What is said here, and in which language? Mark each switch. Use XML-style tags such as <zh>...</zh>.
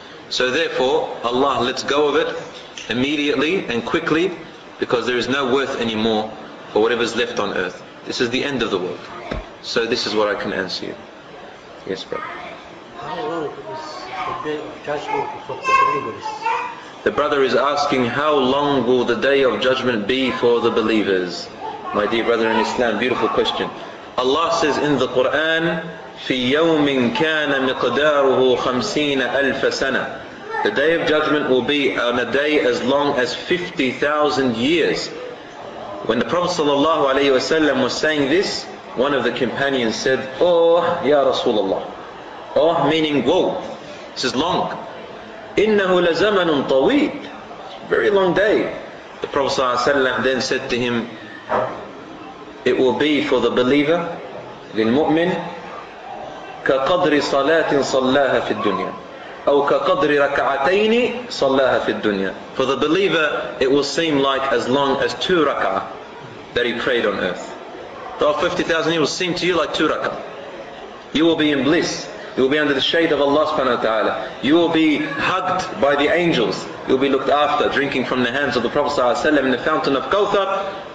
<en>So therefore, Allah lets go of it immediately and quickly, because there is no worth anymore for whatever is left on earth. This is the end of the world. So this is what I can answer you. Yes, brother. How long is the day of judgment for the believers? The brother is asking, how long will the day of judgment be for the believers? My dear brother in Islam, beautiful question. Allah says in the Quran,</en> <ar>في يوم كان مقداره خمسين ألف سنة.</ar> <en>The day of judgment will be on a day as long as 50,000 years. When the Prophet sallallahu alaihi wasallam was saying this, one of the companions said, "Oh, ya Rasulullah." Oh, meaning whoa. This is long.</en> <ar>إنه لزمن طويل.</ar> <en>Very long day. The Prophet sallallahu alaihi wasallam then said to him, "It will be for the believer, the mu'min."</en> <ar>كقدر صلاة صلاها في الدنيا أو كقدر ركعتين صلاها في الدنيا.</ar> <en>For the believer, it will seem like as long as two rak'ah that he prayed on earth. For 50,000 years, it will seem to you like two rak'ah. You will be in bliss. You will be under the shade of Allah subhanahu wa ta'ala. You will be hugged by the angels. You will be looked after, drinking from the hands of the Prophet sallallahu alaihi wasallam in the fountain of Kawthar.</en>